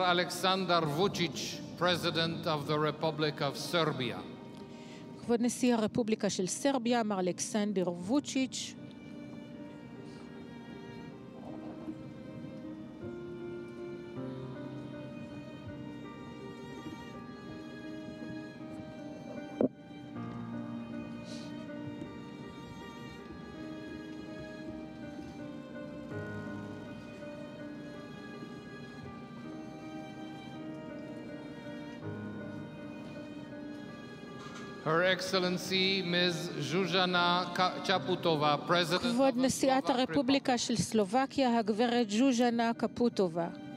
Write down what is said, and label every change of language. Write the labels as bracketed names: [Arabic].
[English] Aleksandar Vučić, President of the Republic of Serbia. [Hebrew] כבוד נשיא הרפובליקה של סרביה, מר אלכסנדר ווצ'יץ'. [English] Her Excellency Ms. Zhuzhana Chaputova, President of [Hebrew] כבוד נשיאת הרפובליקה של סלובקיה, הגברת זוז'נה קפוטובה.